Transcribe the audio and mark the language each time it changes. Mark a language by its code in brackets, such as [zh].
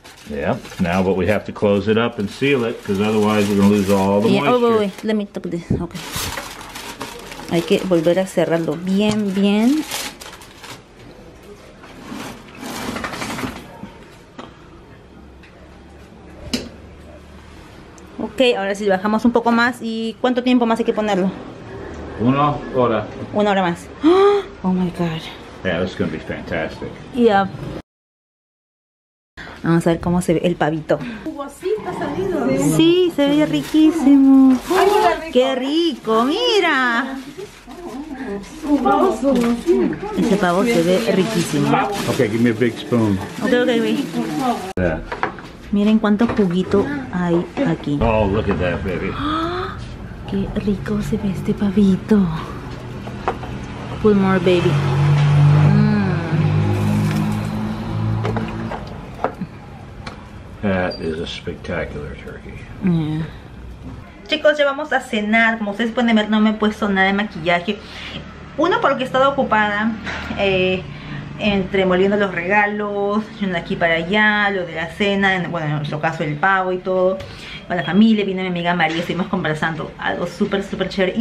[en] Yeah, now but we have to close it up and seal it because otherwise we're going to lose all the moisture. Wait. Let me talk this. Okay. [es] Hay que volver a cerrarlo bien, bien. Okay, ahora sí bajamos un poco más. ¿Y cuánto tiempo más hay que ponerlo? 1 hora. 1 hora más. [en] Oh my god. Yeah, this is going to be fantastic. Yeah. [es] Vamos a ver cómo se ve el pavito. Sí, se ve riquísimo. ¡Qué rico! ¡Mira! Ese pavo se ve riquísimo. [en] Ok, give me a big spoon. Ok, [es] Miren cuánto juguito hay aquí. [en] Oh, look at that, baby. [es] Qué rico se ve este pavito. [en] Pull more, baby. That is a spectacular turkey. [es] Yeah. Chicos, ya vamos a cenar. Como ustedes pueden ver, no me he puesto nada de maquillaje. Uno, porque he estado ocupada entre moliendo los regalos, yendo aquí para allá, lo de la cena, bueno, en nuestro caso el pavo y todo. Con la familia, vino mi amiga María, estuvimos conversando, algo súper, súper chévere.